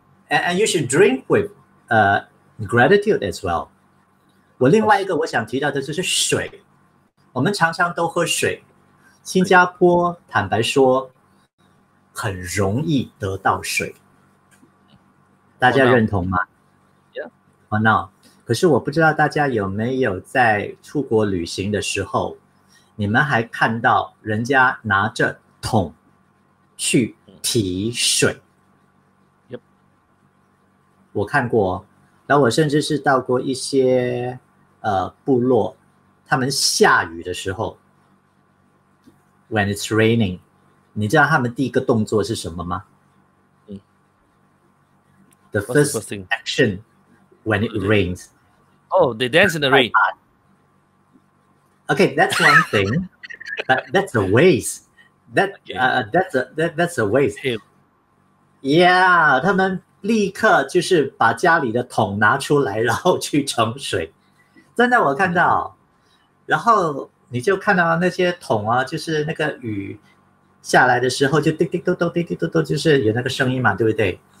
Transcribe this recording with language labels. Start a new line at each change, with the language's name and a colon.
English: And you should drink with gratitude as well.
Chinese: 我另外一个我想提到的就是水。我们常常都喝水。新加坡坦白说很容易得到水。大家认同吗？
English: Yeah. Oh, no.
Chinese: 可是我不知道大家有没有在出国旅行的时候你们还看到人家拿着桶去提水。
English: Yep.
Chinese: 我看过，然后我甚至是到过一些部落，他们下雨的时候 ，
English: when it's raining，
Chinese: 你知道他们第一个动作是什么吗？嗯
English: ，the first action when it rains。 Oh, they dance in the rain. Okay, that's one thing, but that's a waste. That's a waste.
Chinese: Yeah, 他们立刻就是把家里的桶拿出来，然后去盛水。真的我看到，然后你就看到那些桶啊，就是那个雨下来的时候就滴滴嘟嘟滴滴嘟嘟，就是有那个声音嘛，对不对？